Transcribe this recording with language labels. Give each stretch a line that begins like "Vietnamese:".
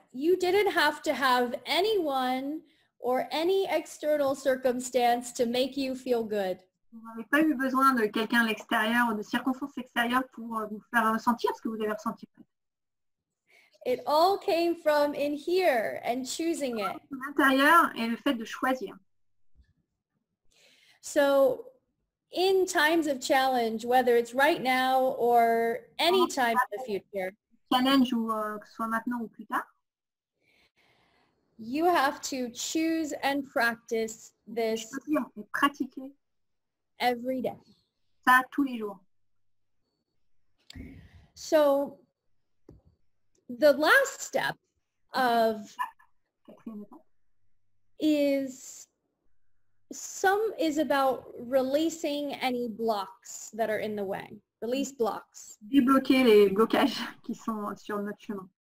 English: You didn't have to have anyone or any external circumstance to make you feel good.
French: Vous n'avez pas eu besoin de quelqu'un à l'extérieur ou de circonstances extérieures pour vous faire ressentir ce que vous avez ressenti.
English: It all came from in here and choosing it.
French: L'intérieur et le fait de choisir.
English: So, in times of challenge, whether it's right now or any time in the future,
French: challenge ou que ce soit maintenant ou plus tard,
English: you have to choose and practice this.
French: Choisir et pratiquer.
English: Every day.
French: Ça, tous les jours.
English: So, the last step of is about releasing any blocks that are in the way. Release blocks.
French: Débloquer les blocages qui sont sur notre chemin.